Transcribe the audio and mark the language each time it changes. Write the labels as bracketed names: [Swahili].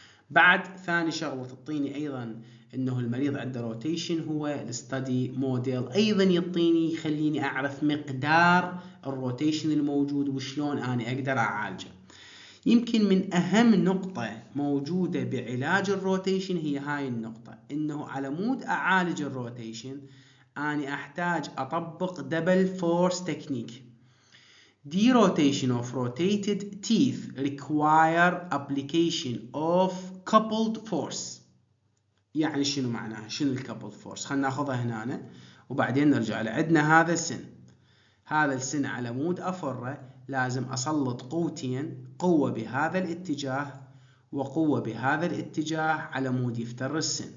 [Arabic] بعد ثاني شغلة تعطيني أيضا أنه المريض عنده روتيشن هو الستدي موديل، أيضا يعطيني يخليني أعرف مقدار الروتيشن الموجود وشلون أنا أقدر أعالجه. يمكن من أهم نقطة موجودة بعلاج الروتيشن هي هاي النقطة، أنه على مود أعالج الروتيشن أنا أحتاج أطبق دبل فورس تكنيك. [English] Derotation of rotated teeth require application of coupled force. [Arabic] يعني شنو معناها؟ شنو coupled force؟ خلنا ناخذها هنا وبعدين نرجع لعدنا. هذا السن، هذا السن على مود أفره لازم أسلط قوتين، قوة بهذا الاتجاه وقوة بهذا الاتجاه على مود يفتر السن.